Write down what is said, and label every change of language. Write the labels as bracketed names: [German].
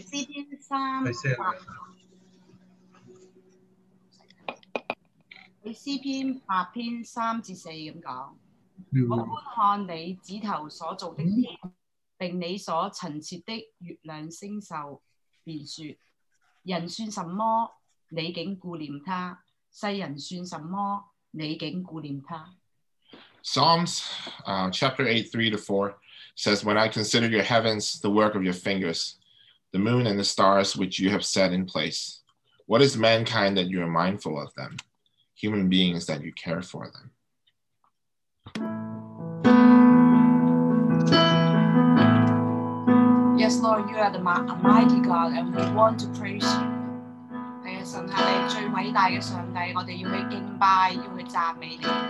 [Cantonese] 诗篇三八，诗篇八篇三至四咁讲。我观看你指头所做的天，并你所陈设的月亮星宿，便说：人算什么？你竟顾念他；世人算什么？你竟顾念他。 [English] Psalms, chapter 8, 3 to 4 says, When I consider your heavens, the work of your fingers, the moon and the stars which you have set in place, what is mankind that you are mindful of them, human beings that you care for them? Yes, Lord, you are the mighty God, and we want to praise you. [Cantonese] 你是神，你最伟大的上帝，我们要去敬拜，要去赞美你。